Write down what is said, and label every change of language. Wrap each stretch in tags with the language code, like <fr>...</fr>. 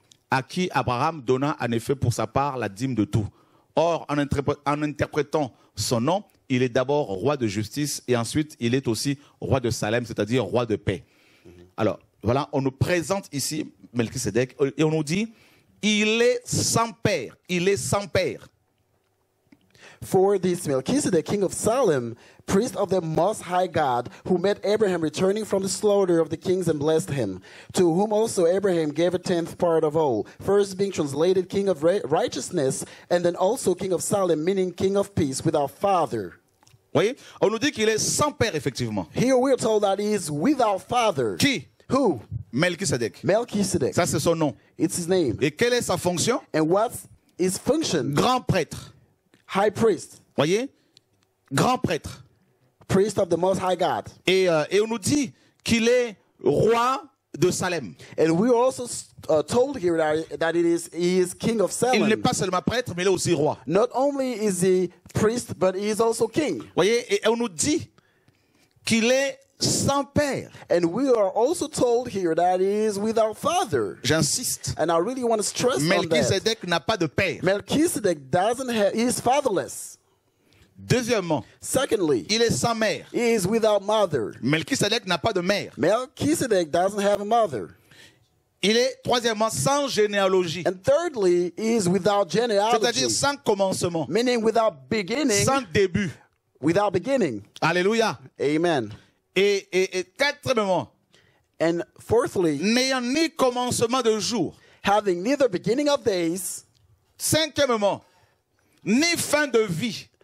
<fr>À qui Abraham donna en effet pour sa part la dîme de tout. Or, en interprétant son nom, il est d'abord roi de justice et ensuite il est aussi roi de Salem, c'est-à-dire roi de paix. Alors, voilà, on nous présente ici Melchisedec et on nous dit, il est sans père, il est sans père.</fr> <en>For this Melchisedec, king of Salem, priest of the Most High God, who met Abraham returning from the slaughter of the kings and blessed him, to whom also Abraham gave a tenth part of all, first being translated king of righteousness, and then also king of Salem, meaning king of peace, without father.</en> <fr>Oui, on nous dit qu'il est sans père, effectivement.</fr> <en>Here we are told that he is without father.</en> <fr>Qui?</fr> <en>Who?</en> <fr>Melchizedek.</fr> <en>Melchizedek.</en> <fr>Ça c'est son nom.</fr> <en>It's his name.</en> <fr>Et quelle est sa fonction?</fr> <en>And what's his function?</en> <fr>Grand prêtre.</fr> <en>High priest.</en> <fr>Voyez? Grand prêtre.</fr> <en>Priest of the Most High God.</en> <fr>Et on nous dit qu'il est roi de Salem.</fr> <en>And we also told here that it is he is king of Salem.</en> <fr>Il n'est pas seulement prêtre, mais il est aussi roi.</fr> <en>Not only is he priest, but he is also king.</en> <fr>Voyez, et on nous dit qu'il est sans père.</fr> <en>And we are also told here that he is without father.</en> <fr>J'insiste.</fr> <en>And I really want to stress</en> <fr>Melchizedek</fr> <en>on that.</en> <fr>N'a pas de père.</fr> <en>Melchizedek doesn't have. He is fatherless.</en> <fr>Deuxièmement,</fr> <en>secondly,</en> <fr>il est sans mère.</fr> <en>He is without mother.</en> <fr>Melchizedek n'a pas de mère.</fr> <en>Melchizedek doesn't have a mother.</en> <fr>Il est troisièmement sans généalogie.</fr> <en>And thirdly, he is without genealogy.</en> <fr>C'est-à-dire sans commencement.</fr> <en>Meaning without beginning.</en> <fr>Sans début.</fr> <en>Without beginning.</en> <fr>Alléluia.</fr> <en>Amen.</en> <fr>Et quatrièmement,</fr> <en>and fourthly,</en> <fr>n'ayant ni commencement de jour.</fr> <en>Having neither beginning of days.</en> <fr>Cinquièmement, ni fin de vie.</fr>